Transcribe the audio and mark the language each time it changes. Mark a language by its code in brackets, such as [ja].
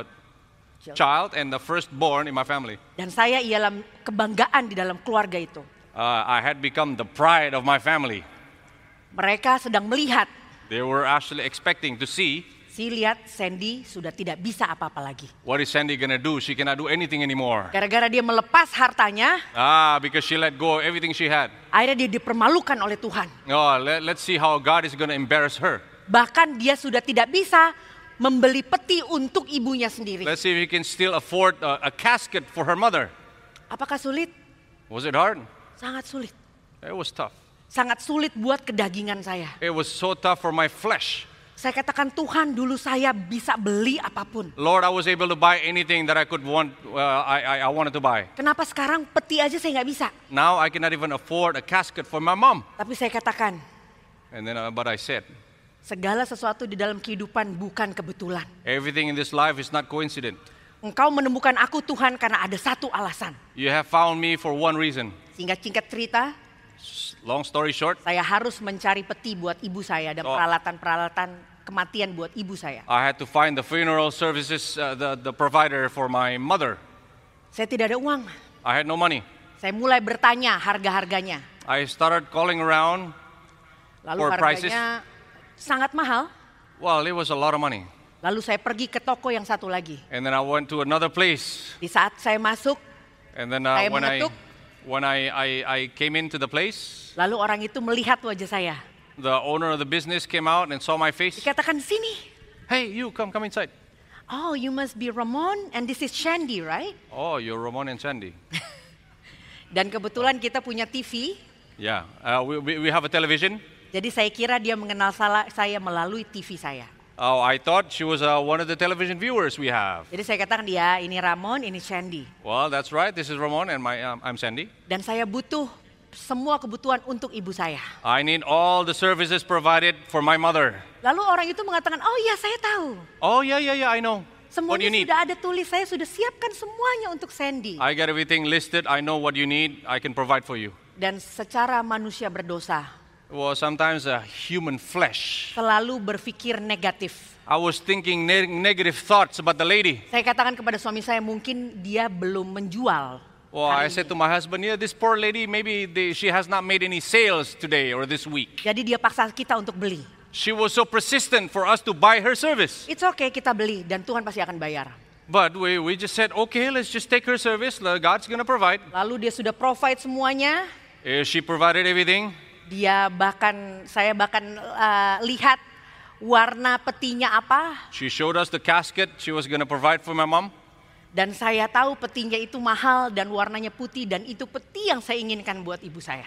[en] I am the first grandchild and the first born in my family. [id] Dan saya ialah kebanggaan di dalam keluarga itu. [en] I had become the pride of my family. [id] Mereka sedang melihat. [en] They were actually expecting to see. [id] Si lihat Sandy sudah tidak bisa apa-apa lagi. [en] What is Sandy gonna do? She cannot do anything anymore. [id] Gara-gara dia melepas hartanya. [en] Because she let go of everything she had. [id] Akhirnya dia dipermalukan oleh Tuhan. [en] Oh, let's see how God is gonna embarrass her. [id] Bahkan dia sudah tidak bisa membeli peti untuk ibunya sendiri. [en] Let's see if he can still afford a casket for her mother. [id] Apakah sulit? [en] Was it hard? [id] Sangat sulit. [en] It was tough. [id] Sangat sulit buat kedagingan saya. [en] It was so tough for my flesh. [id] Saya katakan Tuhan, dulu saya bisa beli apapun. [en] Lord, I was able to buy anything that I could want. I wanted to buy. [id] Kenapa sekarang peti aja saya nggak bisa? [en] Now I cannot even afford a casket for my mom. [id] Tapi saya katakan. [en] And then, but I said. [id] Segala sesuatu di dalam kehidupan bukan kebetulan. [en] Everything in this life is not coincident. [id] Engkau menemukan aku Tuhan karena ada satu alasan. [en] You have found me for one reason. [id] Singkat singkat cerita. [en] Long story short. [id] Saya harus mencari peti buat ibu saya dan peralatan-peralatan kematian buat ibu saya. [en] I had to find the funeral services the provider for my mother. [id] Saya tidak ada uang. [en] I had no money. [id] Saya mulai bertanya harga-harganya. [en] I started calling around. [id] Lalu harganya [en] prices. [id] Sangat mahal. [en] Well, it was a lot of money. [id] Lalu saya pergi ke toko yang satu lagi. [en] And then I went to another place. [id] Di saat saya masuk, [en] and then, [id] saya mengetuk. [en] When I came into the place, [id] lalu orang itu melihat wajah saya. [en] The owner of the business came out and saw my face. [id] Dikatakan sini. [en] Hey, you come inside. Oh, you must be Ramon and this is Shandy, right? Oh, you're Ramon and Shandy. [id] Dan kebetulan kita punya TV. [en] Yeah, we have a television. [id] Jadi saya kira dia mengenal saya melalui TV saya. [en] Oh, I thought she was one of the television viewers we have. [id] Jadi saya katakan dia, ini Ramon, ini Shandy. [en] Well, that's right. This is Ramon and I'm Shandy. [id] Dan saya butuh semua kebutuhan untuk ibu saya. [en] I need all the services provided for my mother. [id] Lalu orang itu mengatakan, oh ya, saya tahu. [en] Oh ya, ya, ya, I know. [id] Semuanya sudah ada tulis, saya sudah siapkan semuanya untuk Shandy. [en] I got everything listed. I know what you need. I can provide for you. [id] Dan secara manusia berdosa. [en] Well, sometimes a human flesh. [id] Selalu berpikir negatif. [en] I was thinking negative thoughts about the lady. [id] Saya katakan kepada suami saya, mungkin dia belum menjual. [en] Well, I said to my husband, yeah, this poor lady, maybe she has not made any sales today or this week. [id] Jadi dia paksa kita untuk beli. [en] She was so persistent for us to buy her service. It's okay, [id] kita beli dan Tuhan pasti akan bayar. [en] But we just said, okay, let's just take her service. God's gonna provide. [id] Lalu dia sudah provide semuanya. [en] Yeah, she provided everything. [id] Dia bahkan, saya bahkan lihat warna petinya apa. [en] She showed us the casket she was going to provide for my mom. [id] Dan saya tahu petinya itu mahal dan warnanya putih dan itu peti yang saya inginkan buat ibu saya.